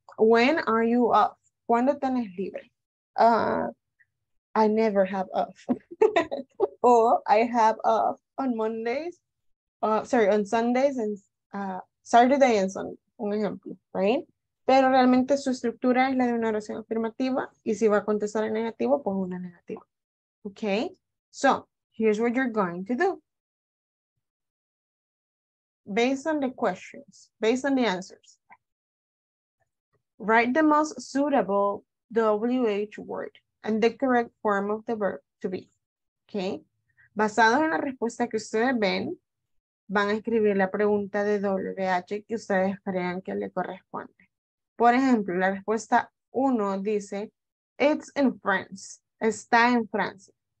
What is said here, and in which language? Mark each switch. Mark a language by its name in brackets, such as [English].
[English] When are you off? [Spanish] ¿Cuándo tenés libre? [English] I never have off. Or I have off on Mondays. On Sundays and Saturday and Sunday, [Spanish] un ejemplo, [English] right? [Spanish] Pero realmente su estructura es la de una oración afirmativa y si va a contestar en negativo, pues una negativa. [English] Okay, so here's what you're going to do. Based on the questions, based on the answers, write the most suitable WH word and the correct form of the verb to be. [Spanish] Okay, basado en la respuesta que ustedes ven, van a escribir la pregunta de WH que ustedes crean que le corresponde. Por ejemplo, la respuesta 1 dice, [English] it's in France, [Spanish] está en Francia.